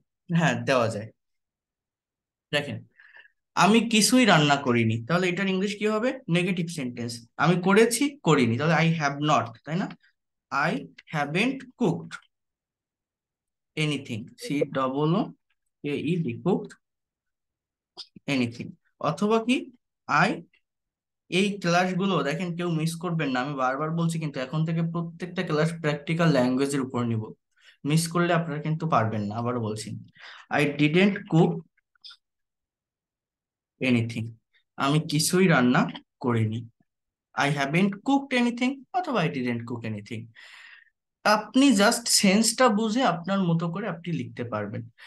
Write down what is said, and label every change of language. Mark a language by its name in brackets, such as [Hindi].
[Bangla] হ্যাঁ দেওয়া যায়। দেখেন আমি কিছুই রান্না করিনি, তাহলে এটার ইংলিশ কি হবে? নেগেটিভ সেন্টেন্স, আমি করেছি করিনি, তাহলে [English] I have not, [Bangla] তাই না? [English] I haven't cooked anything. She double A E D cooked anything. [Bangla] অথবা কি আই এই ক্লাসগুলো দেখেন কেউ মিস করবেন না, আমি বারবার বলছি কিন্তু এখন থেকে প্রত্যেকটা ক্লাস প্র্যাকটিক্যাল ল্যাঙ্গুয়েজের উপর নিব, মিস করলে আপনারা কিন্তু পারবেন না, আবার বলছি [English] I didn't cook anything, [Bangla] আমি কিছুই রান্না করিনি, [English] I haven't cooked anything [Bangla] অথবা [English] I didn't cook anything, [Bangla] আপনি জাস্ট সেন্সটা বুঝে আপনার মতো করে আপনি লিখতে পারবেন।